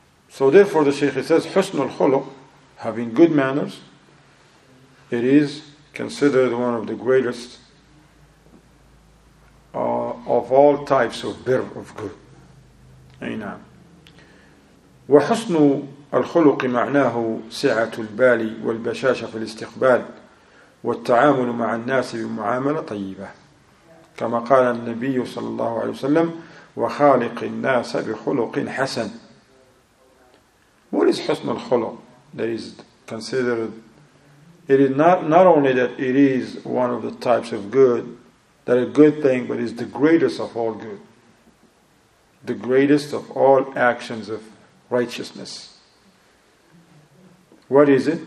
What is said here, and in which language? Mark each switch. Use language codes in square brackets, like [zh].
[en] So therefore, the Shaykh says, [ar] حسن الخلق, [en] having good manners, it is considered one of the greatest of all types of birr of good. Ayna. وحسن [ar] الخلق معناه سعة البال والبشاشة في الاستقبال والتعامل مع الناس بمعاملة طيبة، كما قال النبي صلى الله عليه وسلم: وخالق الناس بخلق حسن. [en] What is [ar] حسن الخلق [en] that is considered? It is not only that it is one of the types of good, that a good thing, but is the greatest of all good, the greatest of all actions of righteousness. What is it?